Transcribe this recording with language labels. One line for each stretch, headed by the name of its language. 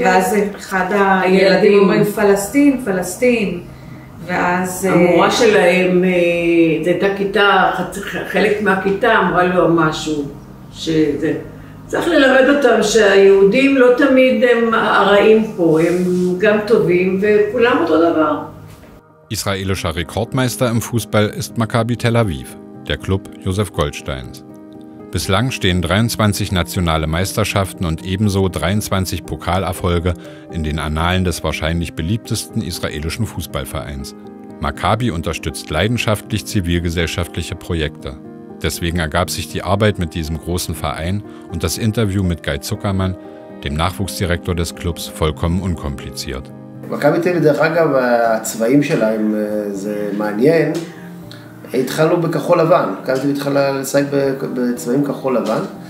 Hebrew: ואז אחד הילדים אומרים, פלסטין, פלסטין. ואז... המורה שלהם, זו הייתה כיתה, חלק מהכיתה אמרה לו משהו, שזה... צריך ללמד אותם שהיהודים לא תמיד הם הרעים פה, הם גם טובים וכולם אותו דבר.
German: Israelischer Rekordmeister im Fußball ist Maccabi Tel Aviv, der Club Josef Goldsteins. Bislang stehen 23 nationale Meisterschaften und ebenso 23 Pokalerfolge in den Annalen des wahrscheinlich beliebtesten israelischen Fußballvereins. Maccabi unterstützt leidenschaftlich zivilgesellschaftliche Projekte. Deswegen ergab sich die Arbeit mit diesem großen Verein und das Interview mit Guy Zuckermann, dem Nachwuchsdirektor des Clubs, vollkommen unkompliziert.
Hebrew: מכבי תל אביב, דרך אגב, הצבעים שלהם זה מעניין. התחלנו בכחול לבן, מכבי תל אביב התחלה לשחק בצבעים כחול לבן.